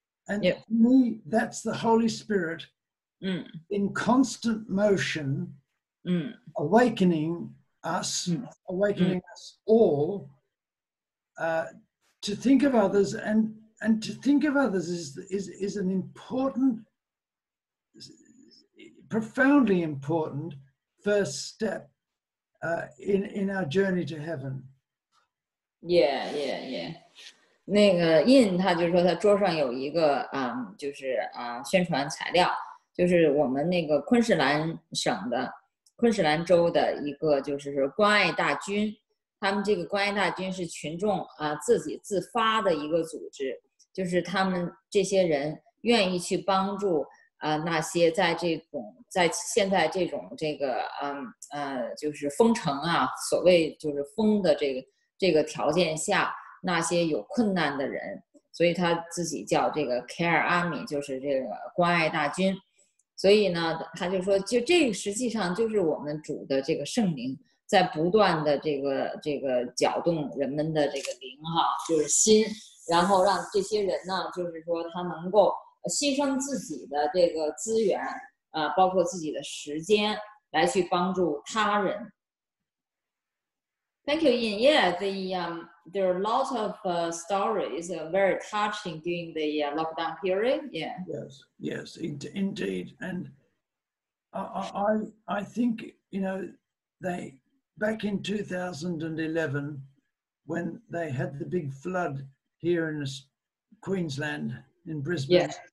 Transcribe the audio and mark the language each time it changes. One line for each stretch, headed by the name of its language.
English: And to me, that's the Holy Spirit in constant motion, awakening us all, to think of others and to think of others is an important, profoundly important first step in our journey to heaven. Yeah, yeah, yeah.
Chinese: 那个印他就说他桌上有一个就是宣传材料，就是我们那个昆士兰州的一个就是关爱大军。他们这个关爱大军是群众自己自发的一个组织，就是他们这些人愿意去帮助那些在现在这种这个就是封城啊，所谓就是封的这个条件下那些有困难的人，所以他自己叫这个 Care Army， 就是这个关爱大军。所以呢，他就说，就这个实际上就是我们主的这个圣灵。在不断的这个搅动人们的这个灵哈，就是心，然后让这些人呢，就是说他能够牺牲自己的这个资源包括自己的时间来去帮助他人。
English: Thank you, Yin. Yeah, there are lots of stories very touching during the lockdown period. Yeah. Yes. Yes. Indeed. And I think you know they. Back in 2011, when they had the big flood here in Queensland, in Brisbane,